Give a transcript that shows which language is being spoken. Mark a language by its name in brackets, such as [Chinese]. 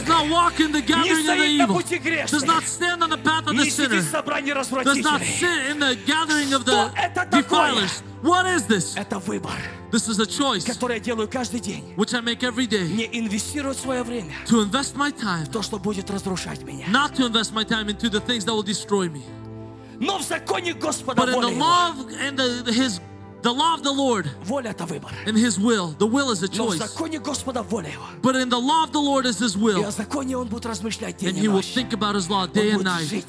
[English] that does not walk in the gathering of the evil, does not stand on the path of the sinner, does not sit in the gathering of the defilers. What is this? [Russian] Это выбор, [English] this is a choice [Russian] который я делаю каждый день, [English] which I make every day, [Russian] не инвестировать свое время, [English] to invest my time [Russian] в то, что будет разрушать меня, [English] not to invest my time into the things that will destroy me, [Russian] но в законе Господа, [English] but in the love and the law of the Lord and His will. The will is a choice. But in the law of the Lord is His will. And He will think about His law day and night.